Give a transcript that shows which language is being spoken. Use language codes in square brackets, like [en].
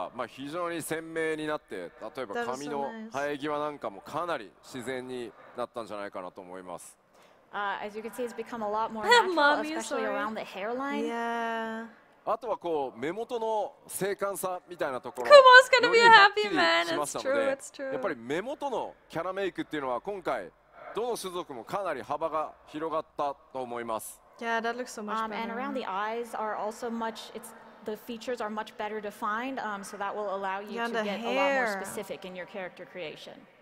[ja] まあ非常に鮮明になって、例えば髪の生え際なんかもかなり自然になったんじゃないかなと思います。 [en] As you can see, it's become a lot more natural, especially around the hairline. Yeah. [ja] あとはこう目元の精悍さみたいなところ。 [en] Kumo's gonna be a happy man. It's true. It's true. [ja] やっぱり目元のキャラメイクっていうのは今回どの種族もかなり幅が広がったと思います。 [en] Yeah, that looks so much better. And around the eyes are also much, it's the features are much better defined, so that will allow you to get hair. A lot more specific in your character creation.